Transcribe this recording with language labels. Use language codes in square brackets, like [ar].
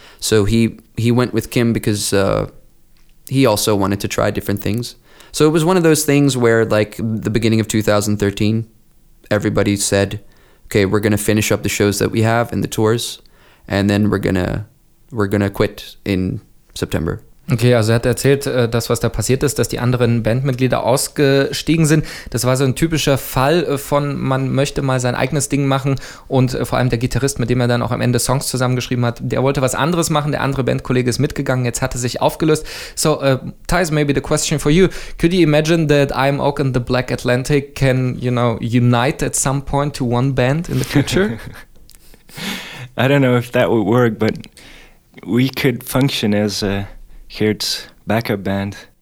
[en] So he went with Kim because... he also wanted to try different things. So it was one of those things where, like, the beginning of 2013, everybody said, okay, we're going to finish up the shows that we have and the tours, and then we're gonna quit in September. [de] Okay, also er hat erzählt, das, was da passiert ist, dass die anderen Bandmitglieder ausgestiegen sind. Das war so ein typischer Fall von, man möchte mal sein eigenes Ding machen. Und vor allem der Gitarrist, mit dem er dann auch am Ende Songs zusammengeschrieben hat, der wollte was anderes machen. Der andere Bandkollege ist mitgegangen, jetzt hat er sich aufgelöst. [en] So, Thijs, maybe the question for you. Could you imagine that I Am Oak and the Black Atlantic can, you know, unite at some point to one band in the future? I don't know if that would work, but we could function as a... Gert's backup band.